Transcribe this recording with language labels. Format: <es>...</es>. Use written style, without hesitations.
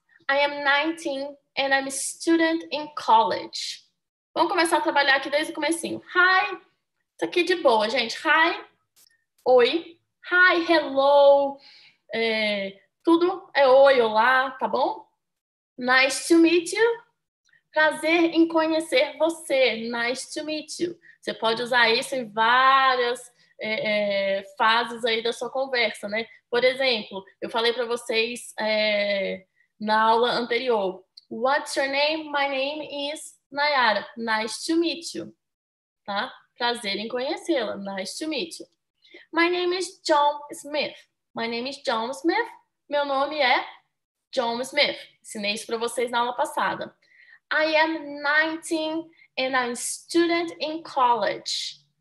<en>I am 19 and I'm a student in college.</en> <pt>Vamos começar a trabalhar aqui desde o comecinho. Hi. Tá aqui de boa, gente. Hi. Oi.</pt> <en>Hi, hello.</en> <pt>Tudo é oi, olá, tá bom?</pt> <en>Nice to meet you.</en> <pt>Prazer em conhecer você.</pt> <en>Nice to meet you.</en> <pt>Você pode usar isso em várias fases aí da sua conversa, né? Por exemplo, eu falei para vocês na aula anterior.</pt> <en>What's your name? My name is Nayara. Nice to meet you. Tá?</en> <pt>Prazer em conhecê-la.</pt> <en>Nice to meet you. My name is John Smith. My name is John Smith.</en> <pt>Meu nome é John Smith, ensinei isso para vocês na aula passada.</pt> <en>I am 19 and I'm a student in college.</en>